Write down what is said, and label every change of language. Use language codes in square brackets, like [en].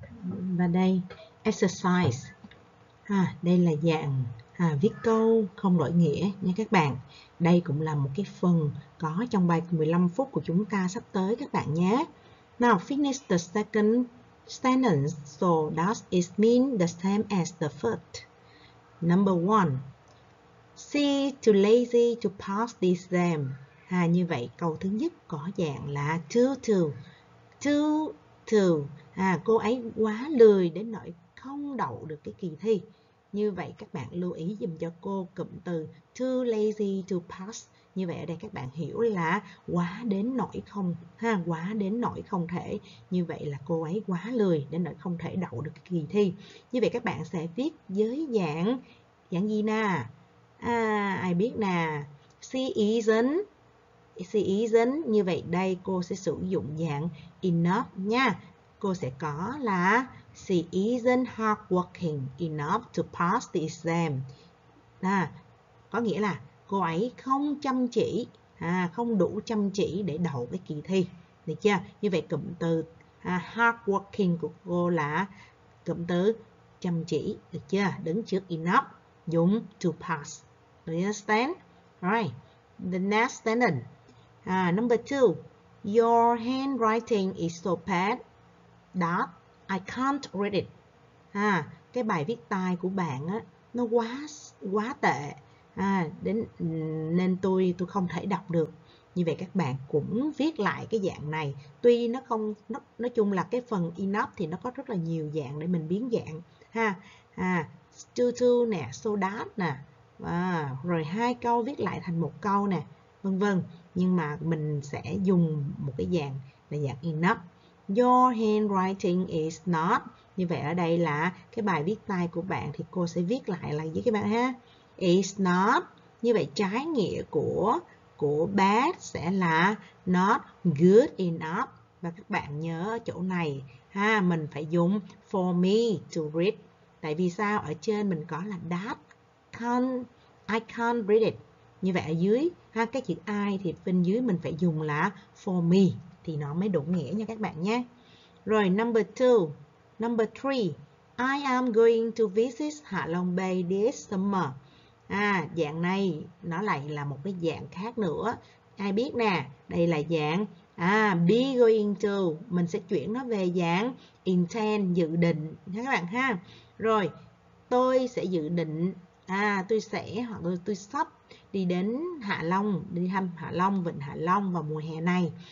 [vi] Và đây, exercise. À, đây là dạng viết câu không đổi nghĩa nha các bạn. Đây cũng là một cái phần có trong bài 15 phút của chúng ta sắp tới các bạn nhé. [en] Now, finish the second sentence. So, does it mean the same as the first? Number one, see too lazy to pass the exam. [vi] À, như vậy, câu thứ nhất có dạng là too. À, cô ấy quá lười đến nỗi không đậu được cái kỳ thi. Như vậy các bạn lưu ý giùm cho cô cụm từ [en] too lazy to pass. [vi] Như vậy ở đây các bạn hiểu là quá đến nỗi không ha, quá đến nỗi không thể. Như vậy là cô ấy quá lười đến nỗi không thể đậu được kỳ thi. Như vậy các bạn sẽ viết dưới dạng dạng gì nè? À, ai biết nè. [en] She isn't. [vi] Như vậy đây cô sẽ sử dụng dạng enough nha. Cô sẽ có là [en] she isn't hardworking enough to pass the exam. [vi] À, có nghĩa là cô ấy không chăm chỉ, không đủ chăm chỉ để đậu cái kỳ thi. Được chưa? Như vậy cụm từ hardworking của cô là cụm từ chăm chỉ. Được chưa? Đứng trước enough, dùng to pass. [en] Do you understand? Right. The next sentence. Number two. Your handwriting is so bad that I can't read it. [vi] À, cái bài viết tay của bạn á, nó quá quá tệ. À, đến nên tôi không thể đọc được. Như vậy các bạn cũng viết lại cái dạng này. Tuy nó không nó, nói chung là cái phần enough thì nó có rất là nhiều dạng để mình biến dạng ha. À, too nè, so that nè. À, rồi hai câu viết lại thành một câu nè, vân vân. Nhưng mà mình sẽ dùng một cái dạng là dạng enough. [en] Your handwriting is not. [vi] Như vậy ở đây là cái bài viết tay của bạn thì cô sẽ viết lại là với các bạn ha. [en] Is not. [vi] Như vậy trái nghĩa của bad sẽ là [en] not good enough. [vi] Và các bạn nhớ ở chỗ này ha, mình phải dùng [en] for me to read. [vi] Tại vì sao? Ở trên mình có là that can't, I can't read it. Như vậy ở dưới ha, cái chữ I thì bên dưới mình phải dùng là for me thì nó mới đủ nghĩa nha các bạn nhé. [en] Rồi number 2, number 3. I am going to visit Hạ Long Bay this summer. [vi] À, dạng này nó lại là một cái dạng khác nữa. Ai biết nè, đây là dạng be going to, mình sẽ chuyển nó về dạng intend, dự định nha các bạn ha. Rồi, tôi sẽ dự định tôi sẽ hoặc là tôi sắp đi đến Hạ Long, đi thăm Hạ Long, vịnh Hạ Long vào mùa hè này.